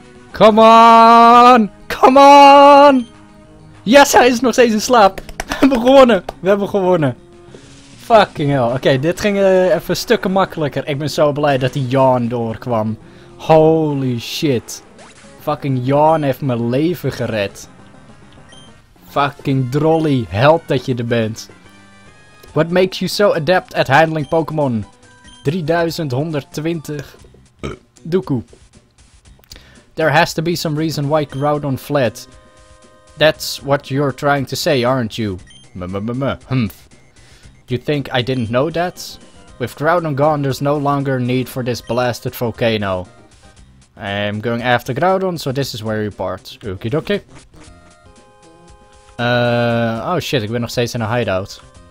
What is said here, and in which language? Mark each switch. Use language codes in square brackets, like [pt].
[en] Come on. Come on. Yes, [nl] hij is nog steeds in slaap. We hebben gewonnen. We hebben gewonnen. [en] Fucking hell. [nl] Oké, dit ging even stukken makkelijker. Ik ben zo blij dat die yawn doorkwam. [en] Holy shit. [nl] Fucking yawn heeft mijn leven gered. Fucking Drolly, help dat je er bent. [en] What makes you so adept at handling Pokémon? 3120 Dooku. There has to be some reason why Groudon fled. That's what you're trying to say, aren't you? Humph. You think I didn't know that? With Groudon gone, there's no longer need for this blasted volcano. I'm going after Groudon, so this is where you part. Okie dokie. [nl] Oh shit, ik ben nog steeds in een hideout.